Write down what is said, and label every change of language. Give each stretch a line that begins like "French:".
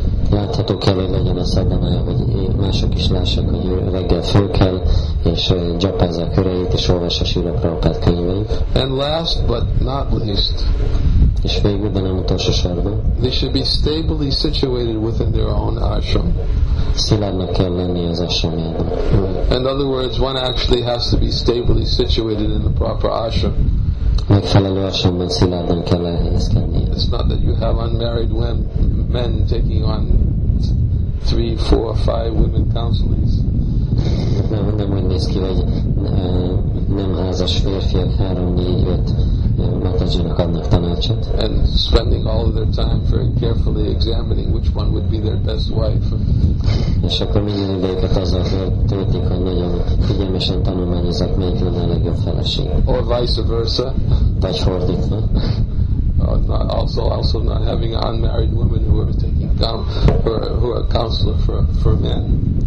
Hungarian: Látható kell, hogy legyen a szadana, hogy mások is lássák, hogy reggel föl kell, és gyapázza a köreit, és olvassa Srila Prabhupada könyveit.
English: And last but not least,
Hungarian: és végül, de nem utolsó sorban,
English: they should be stably situated within their own ashram.
Hungarian: Szilárdnak kell lenni az ashramjában.
English: In other words, one actually has to be stably situated in the proper ashram.
Hungarian: Megfelelő ashramban szilárdan kell lehelyezkedni.
English: It's not that you have unmarried men taking on 3, 4, 5 women counselees.
Hungarian: Nem úgy néz ki, hogy nem házas férfiak 3, 4, 5 matajinak adnak tanácsot.
English: And spending all of their time very carefully examining which one would be their best wife.
Hungarian: És akkor minden idejüket azzal töltik, hogy nagyon figyelmesen tanulmányozzák, melyik lenne a legjobb feleség.
English: Or vice versa.
Hungarian: Vagy fordítva.
English: Also not having unmarried women who are taking who are counselor for men.